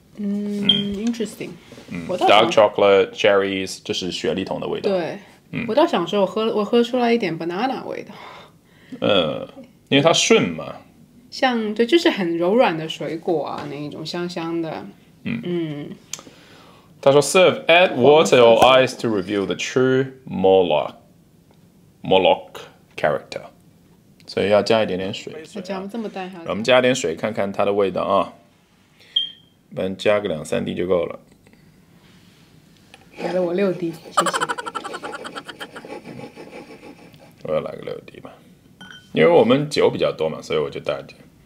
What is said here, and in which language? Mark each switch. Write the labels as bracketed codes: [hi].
[zh] 嗯 ，interesting，嗯 ， [en] dark chocolate, cherries， [zh] 这是雪利桶的味道，对，嗯，我倒想说我喝出来一点 banana 味道。因为它顺嘛，像对，就是很柔软的水果啊，那一种香香的。他说 ， [en] serve add water or ice to reveal the true Moloch character， [zh] 所以要加一点点水。加这么淡哈，我们加点水看看它的味道啊，能加个两三滴就够了。给了我六滴，谢谢。我要来个六滴吧。因为我们酒比较多嘛，所以我就带点。